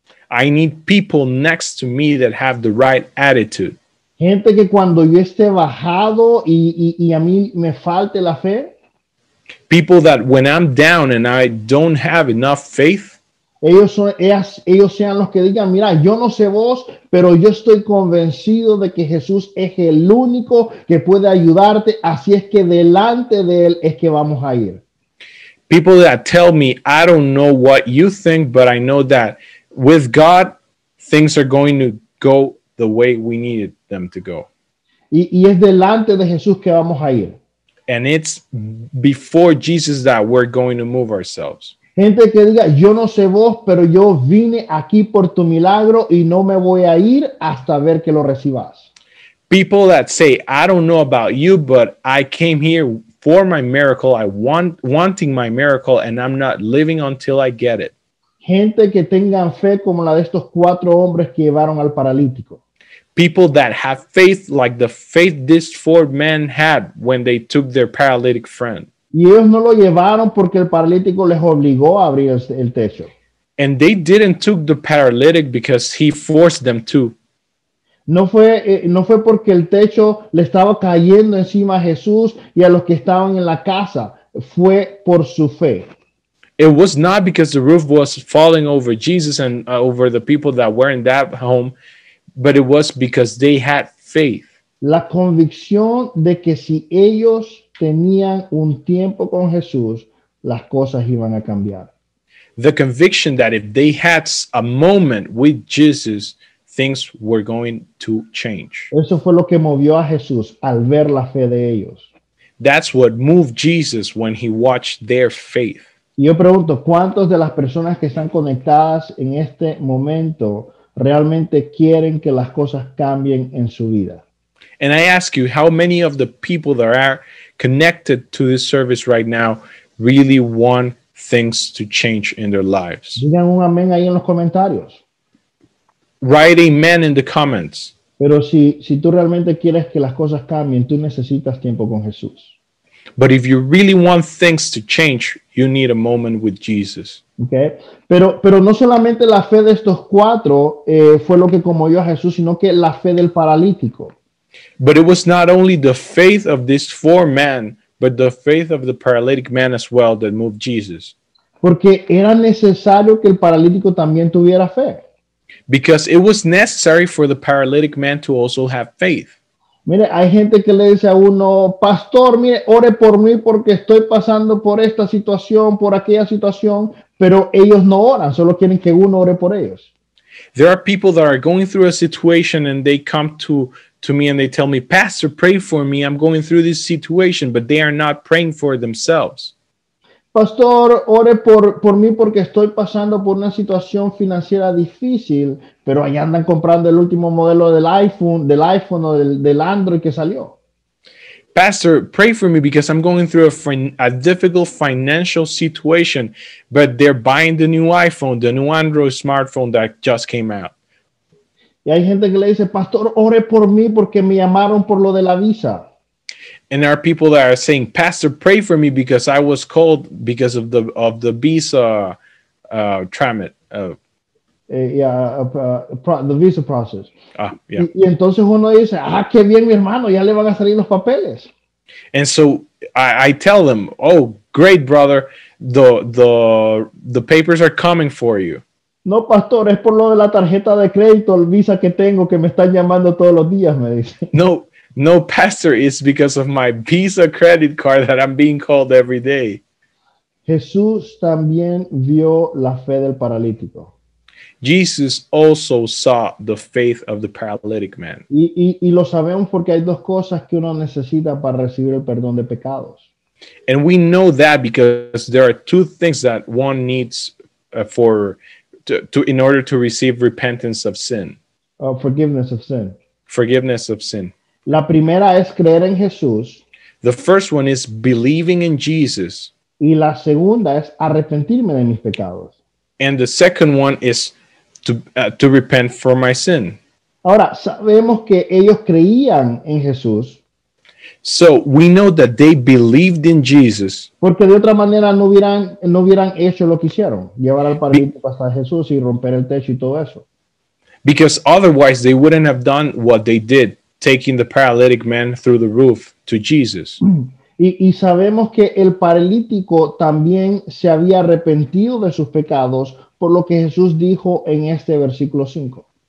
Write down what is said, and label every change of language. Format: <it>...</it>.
<en>I need people next to me that have the right attitude.</en> <es>Gente que cuando yo esté bajado y a mí me falte la fe.</es> <en>People that when I'm down and I don't have enough faith.</en> <es>Ellos sean los que digan, mira, yo no sé vos, pero yo estoy convencido de que Jesús es el único que puede ayudarte, así es que delante de Él es que vamos a ir.</es> <en>People that tell me, I don't know what you think, but I know that with God, things are going to go the way we needed them to go.</en> <es>Y es delante de Jesús que vamos a ir.</es> <en>And it's before Jesus that we're going to move ourselves.</en> <es>Gente que diga, yo no sé vos, pero yo vine aquí por tu milagro y no me voy a ir hasta ver que lo recibas.</es> <en>People that say, I don't know about you, but I came here for my miracle, wanting my miracle, and I'm not living until I get it.</en> <es>Gente que tengan fe como la de estos cuatro hombres que llevaron al paralítico.</es> <en>People that have faith like the faith these four men had when they took their paralytic friend.</en> <es>Y ellos no lo llevaron porque el paralítico les obligó a abrir el techo.</es> <en>And they didn't took the paralytic because he forced them to.</en> <es>No fue porque el techo le estaba cayendo encima a Jesús y a los que estaban en la casa. Fue por su fe.</es> <en>It was not because the roof was falling over Jesus and over the people that were in that home, but it was because they had faith.</en> <es>La convicción de que si ellos tenían un tiempo con Jesús, las cosas iban a cambiar.</es> <en>The conviction that if they had a moment with Jesus, things were going to change.</en> <es>Eso fue lo que movió a Jesús al ver la fe de ellos.</es> <en>That's what moved Jesus when he watched their faith.</en> <es>Y yo pregunto, ¿cuántos de las personas que están conectadas en este momento realmente quieren que las cosas cambien en su vida?</es> <en>And I ask you, how many of the people that are connected to this service right now really want things to change in their lives?</en> <es>Digan un amén ahí en los comentarios.</es> <en>Write amen in the comments.</en> <es>Pero si tú realmente quieres que las cosas cambien, tú necesitas tiempo con Jesús.</es> <en>But if you really want things to change, you need a moment with Jesus. Okay.</en> <es>Pero no solamente la fe de estos cuatro fue lo que conmovió a Jesús, sino que la fe del paralítico.</es> <en>But it was not only the faith of these four men, but the faith of the paralytic man as well that moved Jesus.</en> <es>Porque era necesario que el paralítico también tuviera fe.</es> <en>Because it was necessary for the paralytic man to also have faith.</en> <es>Mire, hay gente que le dice a uno, pastor, mire, ore por mí porque estoy pasando por esta situación, por aquella situación, pero ellos no oran, solo quieren que uno ore por ellos.</es> <en>There are people that are going through a situation and they come to me and they tell me, pastor, pray for me, I'm going through this situation, but they are not praying for themselves.</en> <es>Pastor, ore por mí porque estoy pasando por una situación financiera difícil, pero ahí andan comprando el último modelo del iPhone o del Android que salió.</es> <en>Pastor, pray for me because I'm going through a difficult financial situation, but they're buying the new iPhone, the new Android smartphone that just came out.</en> <es>Y hay gente que le dice, pastor, ore por mí porque me llamaron por lo de la visa.</es> <en>And there are people that are saying, pastor, pray for me because I was called because of the visa tramit. The visa process. Ah, yeah.</en> <es>Y entonces uno dice, ah, qué bien, mi hermano, ya le van a salir los papeles.</es> <en>And so I tell them, oh, great, brother, the papers are coming for you.</en> <es>No, pastor, es por lo de la tarjeta de crédito, el visa que tengo, que me están llamando todos los días, me dice.</es> <en>No, pastor, it's because of my Visa credit card that I'm being called every day.</en> <es>Jesús también vio la fe del paralítico.</es> <en>Jesus also saw the faith of the paralytic man.</en> <es>Y lo sabemos porque hay dos cosas que uno necesita para recibir el perdón de pecados.</es> <en>And we know that because there are two things that one needs in order to receive repentance of sin. Forgiveness of sin. Forgiveness of sin.</en> <es>La primera es creer en Jesús.</es> <en>The first one is believing in Jesus.</en> <es>Y la segunda es arrepentirme de mis pecados.</es> <en>And the second one is to repent for my sin.</en> <es>Ahora, sabemos que ellos creían en Jesús.</es> <en>So, we know that they believed in Jesus.</en> <es>Porque de otra manera no hubieran hecho lo que hicieron. Llevar al paralítico hasta Jesús y romper el techo y todo eso.</es> <en>Because otherwise they wouldn't have done what they did. Taking the paralytic man through the roof to Jesus.</en> <es>Y sabemos que el paralítico también se había arrepentido de sus pecados por lo que Jesús dijo en este versículo 5.</es>